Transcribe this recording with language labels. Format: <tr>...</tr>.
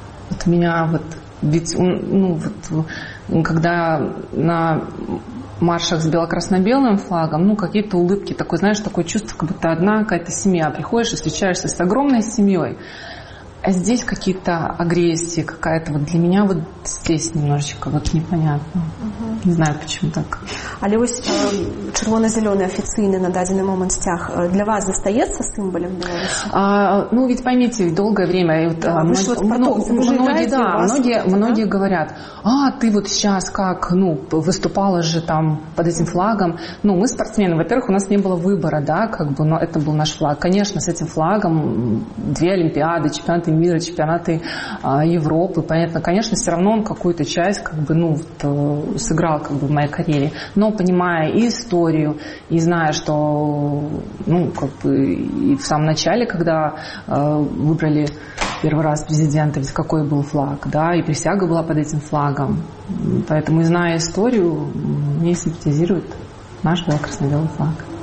<ru>Вот у меня вот, ведь, ну, вот, когда на маршах с бело-красно-белым флагом, ну, какие-то улыбки, такое, знаешь, такое чувство, как будто одна какая-то семья. Приходишь и встречаешься с огромной семьей. А здесь какие-то агрессии, какая-то вот для меня вот здесь немножечко вот непонятно. Угу. Не знаю, почему так.</ru> <be>Але ось чырвона-зялёны афіцыйны на дадзены момант сцяг для вас застаецца сімвалам Беларусі?</be> <ru>А, ну, ведь поймите, долгое время... Многие говорят, а, ты вот сейчас как, ну, выступала же там под этим флагом. Ну, мы спортсмены, во-первых, у нас не было выбора, да, как бы, но это был наш флаг. Конечно, с этим флагом две Олимпиады, чемпионат мира, чемпионаты Европы, понятно, конечно, все равно он какую-то часть как бы, ну, вот, сыграл как бы в моей карьере, но понимая и историю, и зная, что ну, как бы и в самом начале, когда выбрали первый раз президента, ведь какой был флаг, да, и присяга была под этим флагом, поэтому и зная историю, мне симпатизирует наш бело-красно-белый флаг.</ru>